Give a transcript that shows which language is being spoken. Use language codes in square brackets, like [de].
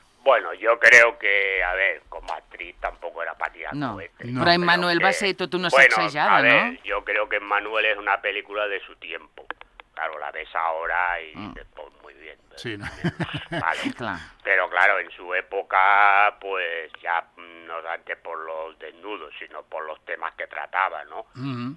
[es] Bueno, yo creo que, a ver, como actriz tampoco era para tirar no, cohetes. [ca] No. Pero en Manuel va ser tot una sacsejada, [es] ¿no? Bueno, yo creo que en Manuel es una película de su tiempo. Claro, la ves ahora y pues muy bien. ¿Verdad? Sí, ¿no? Vale. Claro. Pero claro, en su época, pues ya no tanto por los desnudos, sino por los temas que trataba, ¿no? Uh-huh.